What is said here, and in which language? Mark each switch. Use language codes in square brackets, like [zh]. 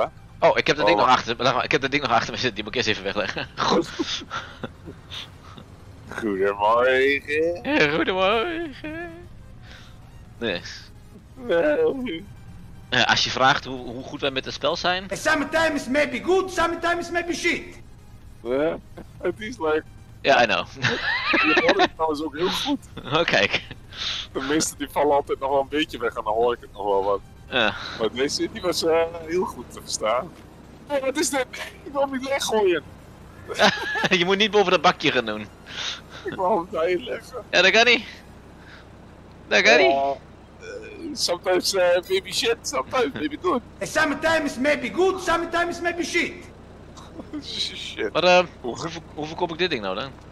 [nl] hè? Oh, ik heb dat ding nog achter. Ik heb dat ding nog achter me zitten. Die moet ik eerst even wegleggen. Goed. Goedemorgen. Goedemorgen. Nee. Wel. Als je vraagt hoe goed wij met het spel zijn. [en] Sometimes it may be good, sometimes it may be shit. [nl] Het is like. [en] Ja, yeah, I know. [nl] Je hoort het trouwens ook heel goed. Oh, kijk. De meeste die vallen altijd nog wel een beetje weg en dan hoor ik het nog wel wat. Ja. Maar deze die was heel goed te verstaan. Hey, wat is dit? Ik wil hem niet weggooien. Je moet niet boven dat bakje gaan doen. Ik wil hem daarin leggen. Ja, dat kan niet. Dat kan niet. [en] Sometimes maybe shit, sometimes maybe good. Sometimes maybe good, sometimes maybe shit. Shit. [nl] Maar hoe verkoop ik dit ding nou dan?